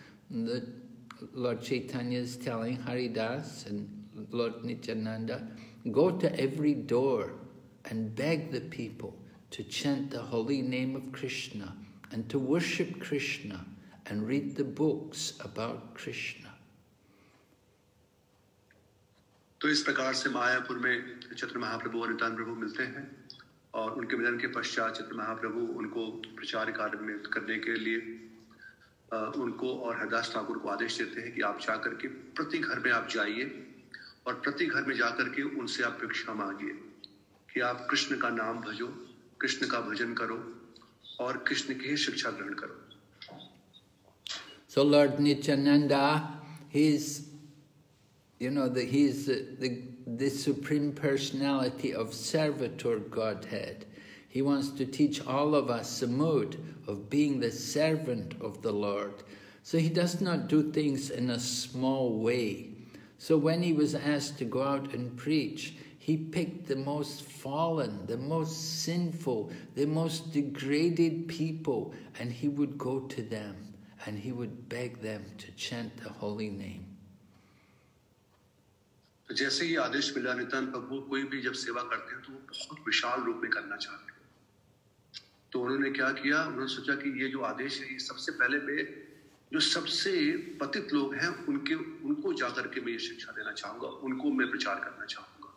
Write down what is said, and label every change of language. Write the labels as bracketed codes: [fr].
[en] The Lord Chaitanya is telling Haridas and Lord Nityananda, go to every door and beg the people to chant the holy name of Krishna and to worship Krishna and read the books about Krishna. [hi] तो इस प्रकार से मायापुर में चतुर महाप्रभु और नित्यानंद प्रभु मिलते हैं और उनके मिलन के पश्चात चतुर महाप्रभु उनको प्रचार कार्य में करने के लिए उनको और हरदास ठाकुर को आदेश देते हैं कि आप जाकर के प्रति घर में आप जाइए और प्रति घर में जाकर के उनसे आप भिक्षा मांगिए कि आप कृष्ण का नाम भजो, कृष्ण का भजन करो और कृष्ण की ही शिक्षा ग्रहण करो. [en] So Lord Nityananda, he's, you know, the, he's the supreme personality of servitor Godhead. He wants to teach all of us the mode of being the servant of the Lord. So he does not do things in a small way. So when he was asked to go out and preach, he picked the most fallen, the most sinful, the most degraded people, and he would go to them and he would beg them to chant the holy name. [hi] जैसे ही आदेश मिला नितान प्रभु कोई भी जब सेवा करते हैं तो वो बहुत विशाल रूप में करना चाहते हैं तो उन्होंने क्या किया उन्होंने सोचा कि ये जो आदेश है ये सबसे पहले मैं जो सबसे पतित लोग हैं उनके उनको जाकर के मैं ये शिक्षा देना चाहूंगा उनको मैं प्रचार करना चाहूंगा.